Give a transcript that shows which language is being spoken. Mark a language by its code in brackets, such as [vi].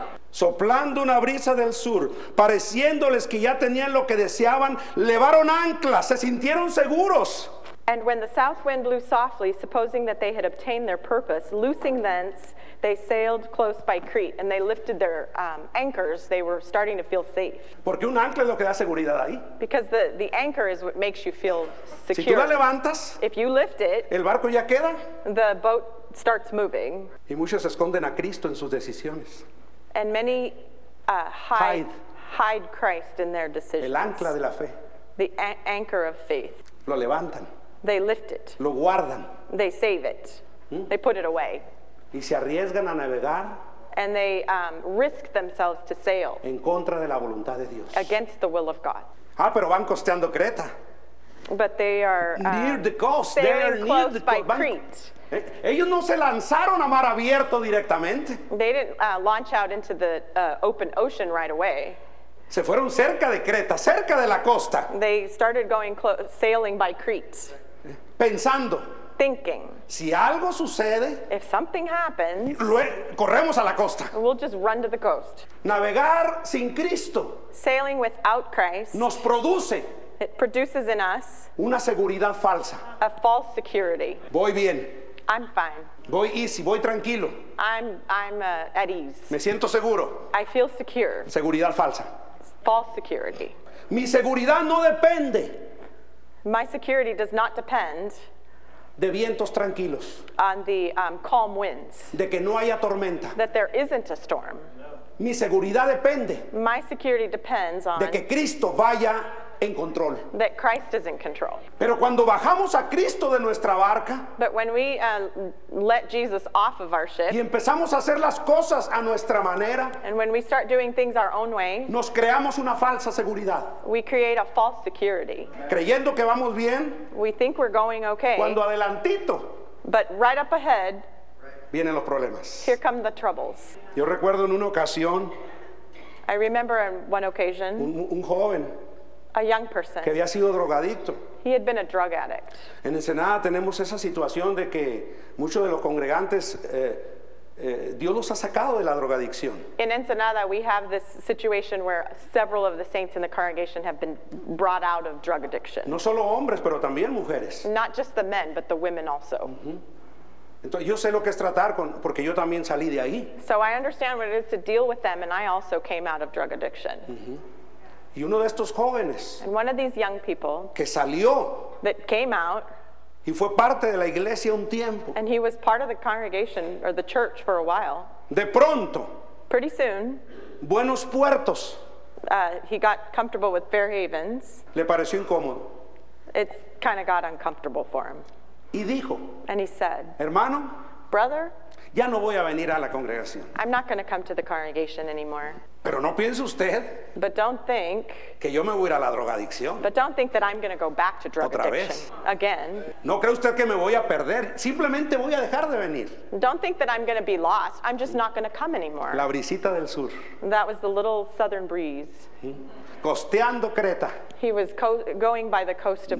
[es] Soplando una brisa del sur, pareciéndoles que ya tenían lo que deseaban, levaron anclas, se sintieron seguros. [en] And when the south wind blew softly, supposing that they had obtained their purpose, loosing thence, they sailed close by Crete, and they lifted their anchors. They were starting to feel safe. [es] Porque un ancla es lo que da seguridad ahí. [en] Because the anchor is what makes you feel secure. [es] Si tú la levantas, [en] if you lift it, [es] el barco ya queda. [en] The boat starts moving. [es] Y muchos se esconden a Cristo en sus decisiones. [en] And many hide Christ in their decisions. [es] El ancla de la fe. [en] The anchor of faith. [es] Lo levantan. [en] They lift it. [es] Lo guardan. [en] They save it. They put it away. [es] Y se arriesgan a navegar. [en] And they risk themselves to sail. [es] En contra de la voluntad de Dios. [en] Against the will of God. [es] Ah, pero van costeando Creta. [en] But they are near the coast. Sailing they are close near the by Crete. [es] Ellos no se lanzaron a mar abierto directamente. [en] They didn't launch out into the open ocean right away. [es] Se fueron cerca de Creta, cerca de la costa. [en] They started going sailing by Crete. [es] Pensando. [en] Thinking. [es] Si algo sucede. [en] If something happens. [es] Corremos a la costa. [en] We'll just run to the coast. [es] Navegar sin Cristo. [en] Sailing without Christ. [es] Nos produce. [en] It produces in us. [es] Una seguridad falsa. [en] A false security. [es] Voy bien. [en] I'm fine. [es] Voy easy, voy tranquilo. [en] I'm at ease. [es] Me siento seguro. [en] I feel secure. [es] Seguridad falsa. [en] False security. [es] Mi seguridad no depende. [en] My security does not depend. [es] De vientos tranquilos. [en] On the calm winds. [es] De que no haya tormenta. [en] That there isn't a storm. [es] Mi seguridad depende. [en] My security depends on. [es] De que Cristo vaya en control. [en] That Christ is in control. [es] Pero cuando bajamos a Cristo de nuestra barca. [en] But when we let Jesus off of our ship. [es] Y empezamos a hacer las cosas a nuestra manera. [en] And when we start doing things our own way. [es] Nos creamos una falsa seguridad. [en] We create a false security. [es] Creyendo que vamos bien. [en] We think we're going okay. [es] Cuando adelantito. [en] But right up ahead. [es] Vienen los problemas. [en] Here come the troubles. [es] Yo recuerdo en una ocasión. [en] I remember on one occasion, [es] un joven, [en] a young person, [es] que había sido drogadicto. [en] He had been a drug addict. [es] En Ensenada tenemos esa situación de que muchos de los congregantes Dios los ha sacado de la drogadicción. [en] In Ensenada, we have this situation where several of the saints in the congregation have been brought out of drug addiction. [es] No solo hombres, pero también mujeres. [en] Not just the men, but the women also. [es] Entonces yo sé lo que es tratar con, porque yo también salí de ahí. [en] So I understand what it is to deal with them, and I also came out of drug addiction. [es] Y uno de estos jóvenes, [en] and one of these young people, [es] que salió, [en] that came out, [es] y fue parte de la iglesia un tiempo. [en] And he was part of the congregation or the church for a while. [es] De pronto. [en] Pretty soon. [es] Buenos puertos. [en] He got comfortable with fair havens. [es] Le pareció incómodo. [en] It kind of got uncomfortable for him. [es] Y dijo. [en] And he said. [es] Hermano. [en] Brother. [es] Ya no voy a venir a la congregación. [en] I'm not going to come to the congregation anymore. [es] Pero no piense usted. [en] But don't think. [es] Que yo me voy a ir a la drogadicción. [en] But don't think that I'm going to go back to drug [es] Otra [en] addiction. [es] Vez. [en] Again. [es] No cree usted que me voy a perder. Simplemente voy a dejar de venir. [en] Don't think that I'm going to be lost. I'm just not going to come anymore. [es] La brisita del sur. [en] That was the little southern breeze. [es] Costeando Creta. [en] He was going by the coast of